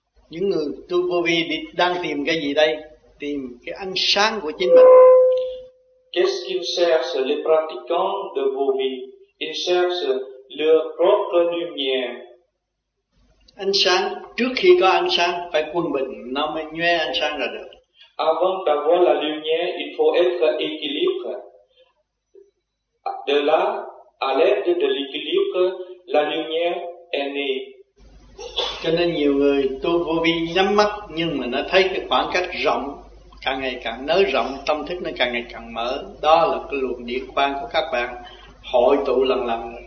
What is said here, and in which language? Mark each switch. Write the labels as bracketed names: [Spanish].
[Vietnamese] Những người tu vô vi đang tìm cái gì đây? Tìm cái ánh sáng của chính mình. [French] Qu'est-ce qu'ils cherchent, les pratiquants de vô vi? Ils cherchent leur propre lumière. [Vietnamese] Ánh sáng, trước khi có ánh sáng, phải quân bình, nó mới nhuê ánh sáng ra được. [French] Avant d'avoir la lumière, il faut être équilibre. De là, à l'aide de l'équilibre, la lumière est née. [Vietnamese] Cho nên nhiều người tu vô vi nhắm mắt nhưng mà nó thấy cái khoảng cách rộng, càng ngày càng nới rộng, tâm thức nó càng ngày càng mở. Đó là cái luồng điện quang của các bạn hội tụ lần lần.